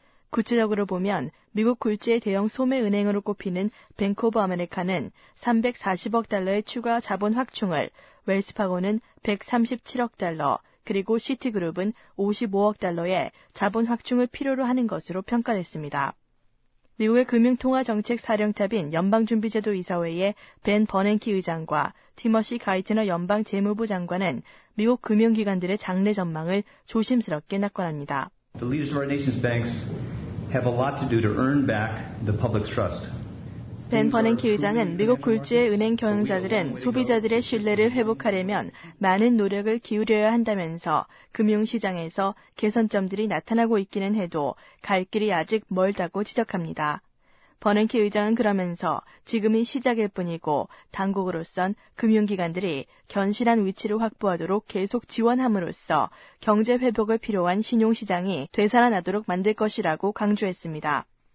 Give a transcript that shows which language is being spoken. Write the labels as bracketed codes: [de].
[ko] 구체적으로 보면 미국 굴지의 대형 소매은행으로 꼽히는 뱅크 오브 아메리카는 340억 달러의 추가 자본 확충을, 웰스파고는 137억 달러, 그리고 시티그룹은 55억 달러의 자본 확충을 필요로 하는 것으로 평가됐습니다. 미국의 금융통화정책사령탑인 연방준비제도 이사회의 벤 버넨키 의장과 티머시 가이트너 연방재무부 장관은 미국 금융기관들의 장래 전망을 조심스럽게 낙관합니다. [en] The leaders of our nation's banks have a lot to do to earn back the public's trust. [ko] 벤 버넨키 의장은 미국 굴지의 은행 경영자들은 소비자들의 신뢰를 회복하려면 많은 노력을 기울여야 한다면서 금융시장에서 개선점들이 나타나고 있기는 해도 갈 길이 아직 멀다고 지적합니다. 버넨키 의장은 그러면서 지금이 시작일 뿐이고 당국으로선 금융기관들이 견실한 위치를 확보하도록 계속 지원함으로써 경제 회복을 필요한 신용시장이 되살아나도록 만들 것이라고 강조했습니다.